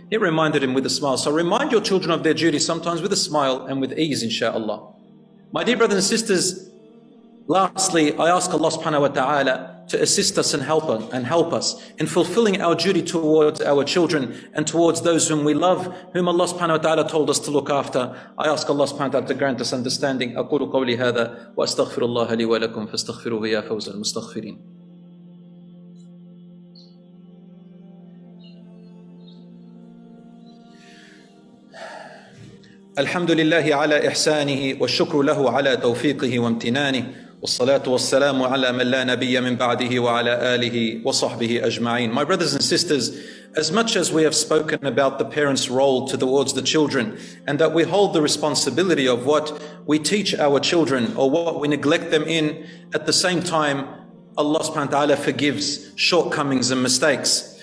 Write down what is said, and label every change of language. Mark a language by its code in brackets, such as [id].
[en] He reminded him with a smile. So remind your children of their duty sometimes with a smile and with ease, inshallah. My dear brothers and sisters, lastly, I ask Allah subhanahu wa ta'ala to assist us and help us in fulfilling our duty towards our children and towards those whom we love, whom Allah subhanahu wa ta'ala told us to look after. I ask Allah subhanahu wa ta'ala to grant us understanding. [ar] أقول قولي هذا وأستغفر الله لي ولكم فاستغفروه يا فوز المستغفرين. الحمد لله على إحسانه والشكر له على توفيقه وامتنانه والصلاة والسلام على من لا نبي من بعده وعلى آله وصحبه أجمعين. [en] My brothers and sisters, as much as we have spoken about the parents' role towards the children and that we hold the responsibility of what we teach our children or what we neglect them in, at the same time, Allah subhanahu wa ta'ala forgives shortcomings and mistakes.